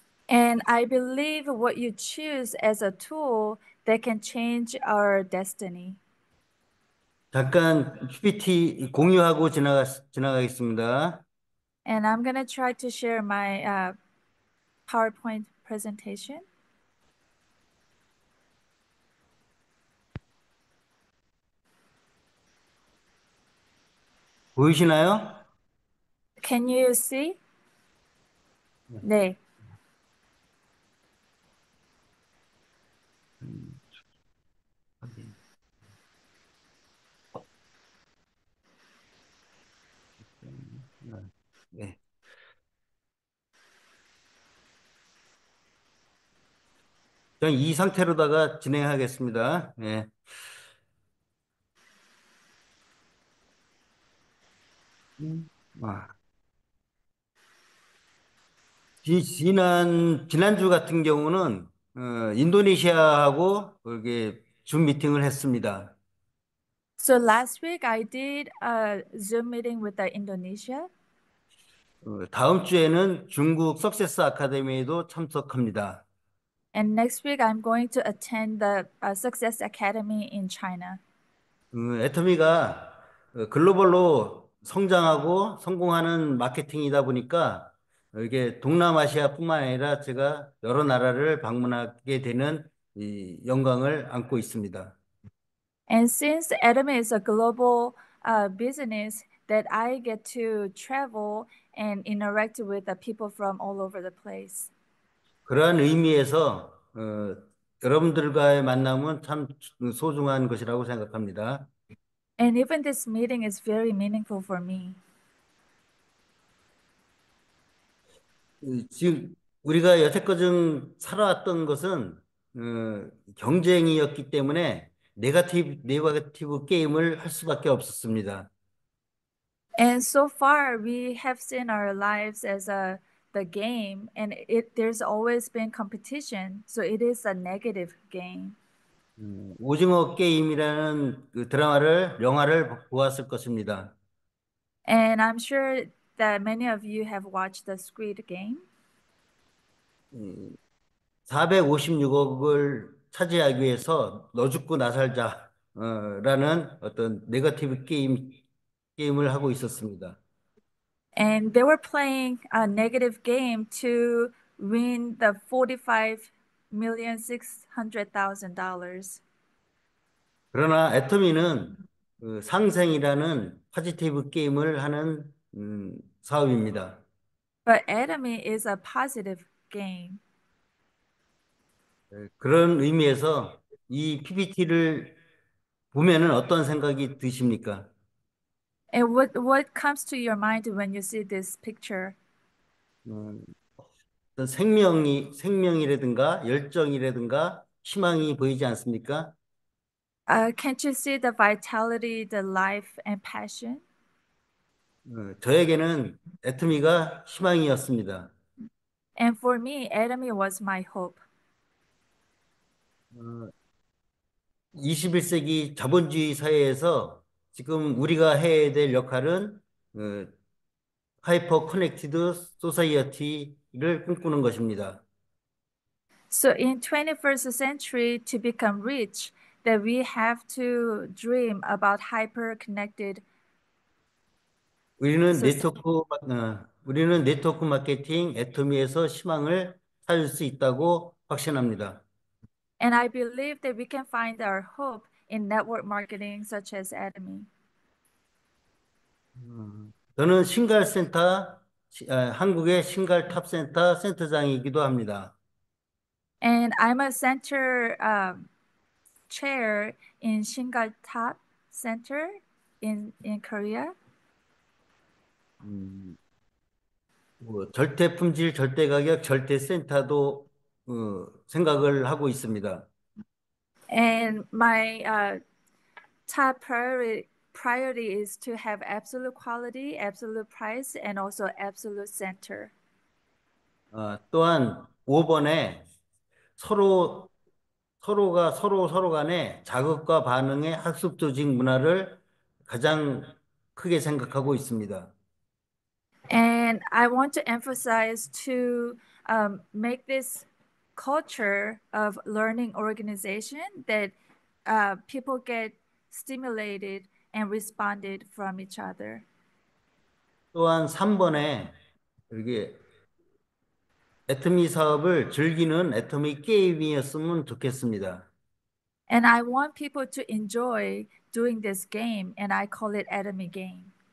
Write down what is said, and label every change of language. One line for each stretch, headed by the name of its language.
English: And I believe what you choose as a tool that can change our destiny.
Korean: 잠깐 PPT 공유하고 지나가겠습니다.
English: And I'm going to try to share my PowerPoint presentation.
Korean: 보이시나요?
English: Can you see? 네.
Korean: 저는 이 상태로다가 진행하겠습니다. 네. 지난주 같은 경우는 인도네시아하고 이렇게 줌 미팅을 했습니다.
English: So last week I did a Zoom meeting with the Indonesia.
Korean: 다음 주에는 중국 석세스 아카데미에도 참석합니다.
English: And next week I'm going to attend the Success Academy in China.
Korean: 애터미가 글로벌로 성장하고 성공하는 마케팅이다 보니까 이게 동남아시아뿐만 아니라 제가 여러 나라를 방문하게 되는 이 영광을 안고 있습니다.
English: And since Atom is a global business, that I get to travel and interact with the people from all over the place.
Korean: 그러한 의미에서 여러분들과의 만남은 참 소중한 것이라고 생각합니다.
English: And even this meeting is very meaningful for me.
Korean: 지금 우리가 여태껏 살아왔던 것은 경쟁이었기 때문에 네거티브 게임을 할 수밖에 없었습니다.
English: And so far, we have seen our lives as a the game, and there's always been competition, so it is a negative game.
Korean: 오징어 게임이라는 그 드라마를, 영화를 보았을 것입니다.
English: And I'm sure that many of you have watched the Squid Game.
Korean: 456억을 차지하기 위해서 너 죽고 나 살자, 라는 어떤 네거티브 게임을 하고 있었습니다.
English: And they were playing a negative game to win the $45,600,000.
Korean: 그러나 애터미는 그 상생이라는 파지티브 게임을 하는 사업입니다.
English: But Atomy is a positive game.
Korean: 그런 의미에서 이 PPT를 보면은 어떤 생각이 드십니까?
English: And what comes to your mind when you see this picture?
Korean: 생명이라든가 열정이라든가 희망이 보이지 않습니까?
English: Can't you see the vitality, the life, and passion?
Korean: 저에게는 애터미가 희망이었습니다.
English: And for me, Atomy was my hope.
Korean: 21세기 자본주의 사회에서 지금 우리가 해야 될 역할은 하이퍼 커넥티드 소사이어티를 꿈꾸는 것입니다.
English: So in 21st century, to become rich, that we have to dream about hyper-connected society.
Korean: 우리는 네트워크 마케팅 애터미에서 희망을 찾을 수 있다고 확신합니다.
English: And I believe that we can find our hope in network marketing such as Atomy.
Korean: 저는 신갈센터, 한국의 신갈탑센터 센터장이기도 합니다.
English: And I'm a center chair in Shingal Top Center in Korea.
Korean: 뭐 절대 품질, 절대 가격, 절대 센터도 생각을 하고 있습니다.
English: And my top priority is to have absolute quality, absolute price, and also absolute center.
Korean: 또한 5번에 서로가 서로 간에 자극과 반응의 학습 조직 문화를 가장 크게 생각하고 있습니다.
English: And I want to emphasize to make this culture of learning organization that people get stimulated and responded from each other.
Korean: 또한 3번에 이렇게 애터미 사업을 즐기는 애터미 게임이었으면 좋겠습니다.
English: And I want people to enjoy doing this game, and I call it Atomy Game.